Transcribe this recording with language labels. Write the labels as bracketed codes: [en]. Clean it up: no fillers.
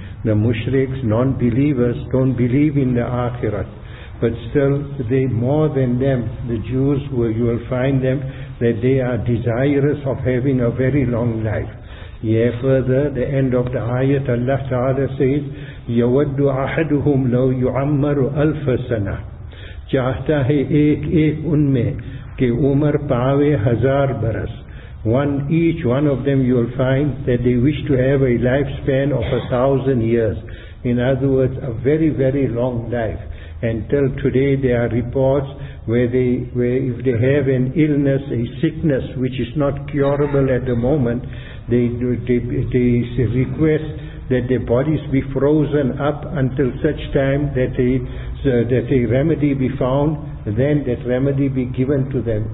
[en] The mushriks, non-believers, don't believe in the akhirat, but still they, more than them, the Jews, where you will find them, that they are desirous of having a very long life. Yeah, further, the end of the ayat, Allah Ta'ala says, [ar] يَوَدُّ أَحَدُهُمْ لَوْ يُعَمَّرُ أَلْفَ سَنَةٍ. [ur] چاہتا ہے ایک ان میں کہ عمر پاوے ہزار برس. [en] Each one of them you will find that they wish to have a lifespan of 1,000 years. In other words, a very, very long life. And till today there are reports where if they have an illness, a sickness which is not curable at the moment, they request that their bodies be frozen up until such time that a remedy be found, then that remedy be given to them.